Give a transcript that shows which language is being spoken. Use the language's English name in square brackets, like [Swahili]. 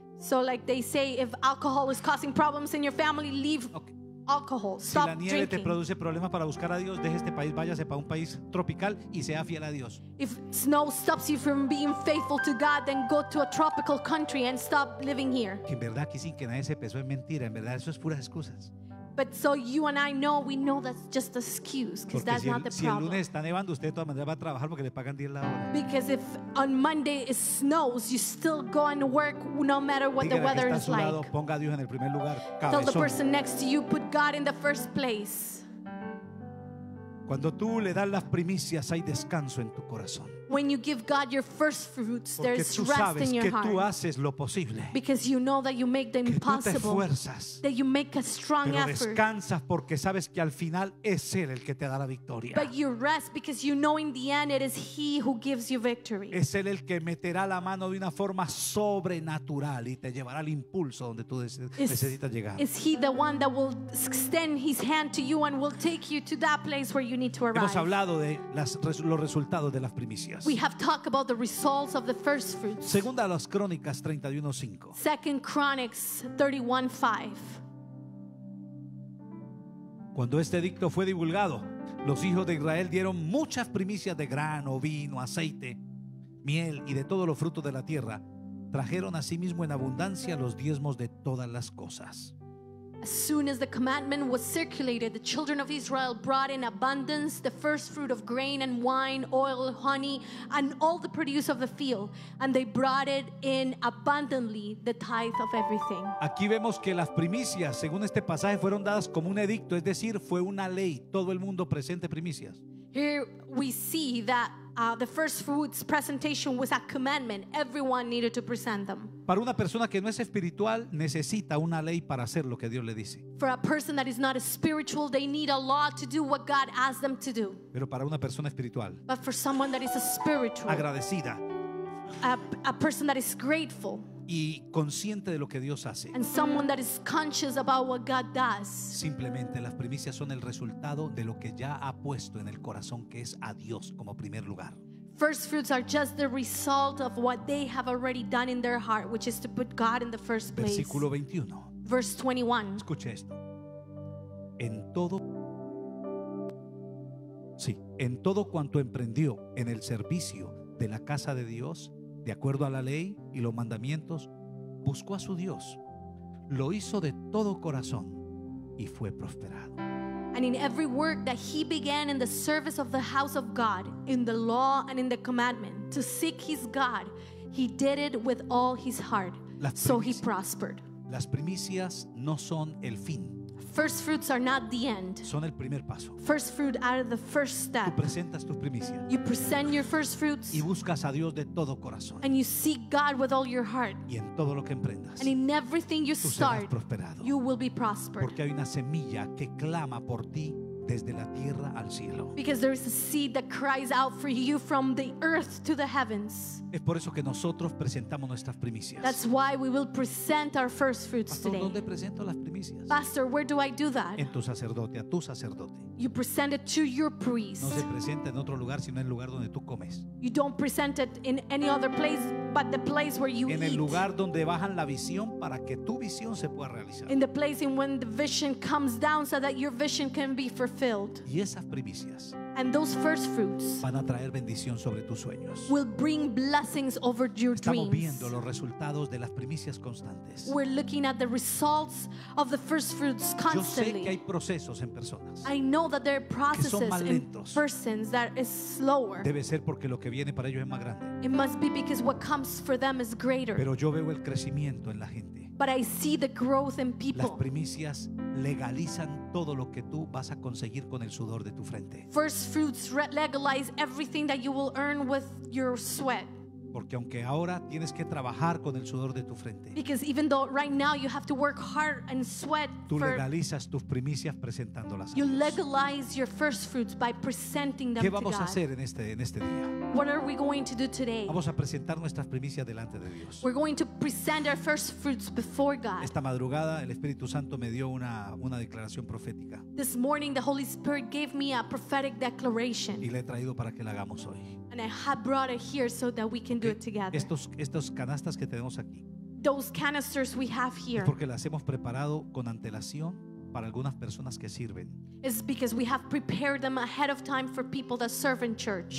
[English] So like they say, if alcohol is causing problems in your family, leave. Okay. Alcohol, stop drinking. [Spanish] Si la nieve [English] drinking. [Spanish] Te produce problemas para buscar a Dios, deje este país, váyase para un país tropical y sea fiel a Dios. [English] If snow stops you from being faithful to God, then go to a tropical country and stop living here. [Spanish] Que en verdad aquí sin que nadie se pesó es mentira, en verdad eso es puras excusas. [English] But so you and I know, we know that's just an excuse because that's [Spanish] si el, [English] not the problem. [Spanish] Si el lunes está nevando, usted de todas maneras va a trabajar porque le pagan 10 la hora. [English] Because if on Monday it snows, you still go and work no matter what [Spanish] dígale [English] the weather is [Spanish] lado, [English] like. [Spanish] Ponga a Dios en el primer lugar, cabezón. [English] Tell the person next to you, put God in the first place. [Spanish] Cuando tú le das las primicias, hay descanso en tu corazón. [English] When you give God your first fruits, [Spanish] porque [English] there's rest [Spanish] sabes [English] in your [Spanish] que [English] heart. [Spanish] Tú haces lo posible. [English] Because you know that you make the [Spanish] que [English] impossible. [Spanish] Tú te esfuerzas, [English] that you make a strong [Spanish] pero [English] effort. [Spanish] Descansas porque sabes que al final es Él el que te da la victoria. [English] But you rest because you know in the end it is He who gives you victory. [Spanish] Es Él el que meterá la mano de una forma sobrenatural y te llevará el impulso donde tú necesitas llegar. [English] Is He the one that will extend His hand to you and will take you to that place where you need to arrive. [Spanish] Hemos hablado de los resultados de las primicias. [English] We have talked about the results of the first fruits. [Spanish] Segunda a las Crónicas 31:5. [English] Second Chronicles 31:5. [Spanish] Cuando este edicto fue divulgado, los hijos de Israel dieron muchas primicias de grano, vino, aceite, miel y de todos los frutos de la tierra. Trajeron asimismo en abundancia los diezmos de todas las cosas. [English] As soon as the commandment was circulated, the children of Israel brought in abundance the first fruit of grain and wine, oil, honey, and all the produce of the field, and they brought it in abundantly, the tithe of everything. [Spanish] Aquí vemos que las primicias, según este pasaje, fueron dadas como un edicto, es decir, fue una ley. Todo el mundo presente primicias. [English] Here we see that the first fruits presentation was a commandment. Everyone needed to present them. [Spanish] Para una persona que no es espiritual, necesita una ley para hacer lo que Dios le dice. [English] For a person that is not a spiritual, they need a law to do what God asked them to do. [Spanish] Pero para una persona espiritual, [English] but for someone that is a spiritual, [Spanish] agradecida, [English] a person that is grateful, [Spanish] y consciente de lo que Dios hace, [English] and someone that is conscious about what God does, [Spanish] simplemente las primicias son el resultado de lo que ya ha puesto en el corazón, que es a Dios como primer lugar. [English] First fruits are just the result of what they have already done in their heart, which is to put God in the first place. [Spanish] Versículo 21. [English] Verse 21. [Spanish] Escuche esto. En todo, sí, en todo cuanto emprendió en el servicio de la casa de Dios, de acuerdo a la ley y los mandamientos, buscó a su Dios. Lo hizo de todo corazón y fue prosperado. [English] And in every work that he began in the service of the house of God, in the law and in the commandment, to seek his God, he did it with all his heart. So he prospered. [Spanish] Las primicias no son el fin. [English] First fruits are not the end. [Spanish] Son el primer paso. [English] First fruit are the first step. [Spanish] Tú presentas tus primicias. [English] You present your first fruits. [Spanish] Y buscas a Dios de todo corazón. [English] And you seek God with all your heart. [Spanish] Y en todo lo que emprendas. [English] And in everything you [Spanish] tú [English] start, [Spanish] serás prosperado. [English] You will be prospered. [Spanish] Porque hay una semilla que clama por ti desde la tierra al cielo. [English] Because there is a seed that cries out for you from the earth to the heavens. [Spanish] Es por eso que nosotros presentamos nuestras primicias. [English] That's why we will present our first fruits. [Spanish] Pastor, [English] today. [Spanish] ¿Dónde presento las primicias? [English] Pastor, where do I do that? [Spanish] En tu sacerdote, a tu sacerdote. [English] You present it to your priest. [Spanish] No se presenta en otro lugar, sino en el lugar donde tú comes. [English] You don't present it in any other place but the place where you eat. [Spanish] En el lugar donde bajan la visión para que tu visión se pueda realizar. [English] In the place in when the vision comes down so that your vision can be fulfilled. [Spanish] Y esas primicias. [English] And those first fruits [Spanish] van a traer bendición sobre tus sueños. [English] Will bring blessings over your [Spanish] Estamos [English] dreams. [Spanish] Viendo los resultados de las primicias constantes. [English] We're looking at the results of the first fruits constantly. [Spanish] Yo sé que hay procesos en personas. [English] I know that there are processes [Spanish] que son más lentos. [English] In persons that is slower. [Spanish] Debe ser porque lo que viene para ellos es más grande. [English] It must be because what comes for them is greater. [Spanish] Pero yo veo el crecimiento en la gente. [English] But I see the growth in people. [Spanish] Las primicias legalizan todo lo que tú vas a conseguir con el sudor de tu frente. [English] First fruits legalize everything that you will earn with your sweat. [Spanish] Porque aunque ahora tienes que trabajar con el sudor de tu frente. [English] Because even though right now you have to work hard and sweat. [Spanish] Tú legalizas tus primicias presentándolas. [English] You legalize your first fruits by presenting them. [Spanish] ¿Qué vamos a hacer en este día? [English] What are we going to do today? [Spanish] Vamos a presentar nuestras primicias delante de Dios. [English] We're going to present our first fruits before God. [Spanish] Esta madrugada el Espíritu Santo me dio una declaración profética. [English] This morning the Holy Spirit gave me a prophetic declaration. [Spanish] Y la he traído para que la hagamos hoy. [English] And I have brought it here so that we can do it together. [Spanish] Estos canastas que tenemos aquí. [English] Those canisters we have here. [Spanish] Es porque las hemos preparado con antelación para algunas personas que sirven. [English] It's because we have prepared them ahead of time for people that serve in church.